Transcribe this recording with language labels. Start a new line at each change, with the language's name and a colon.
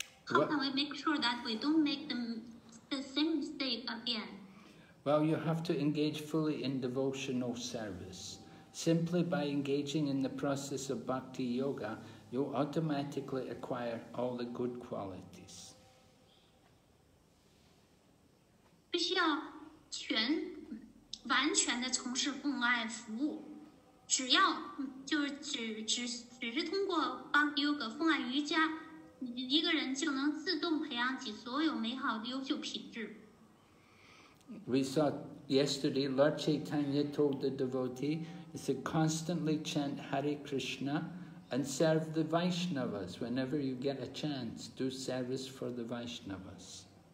English: How can we make sure that we don't make the same mistake again? Well, you have to engage fully in devotional service. Simply by engaging in the process of bhakti yoga, you automatically acquire all the good qualities.
Chinese: 必须要全完全的从事奉爱服务，只要就是只是通过 Bhakti Yoga 奉爱瑜伽，一个人就能自动培养起所有美好的优秀品质。
English: We saw yesterday Lord Chaitanya told the devotee, "It's to constantly chant Hare Krishna and serve the Vaishnavas whenever you get a chance. Do service for the Vaishnavas."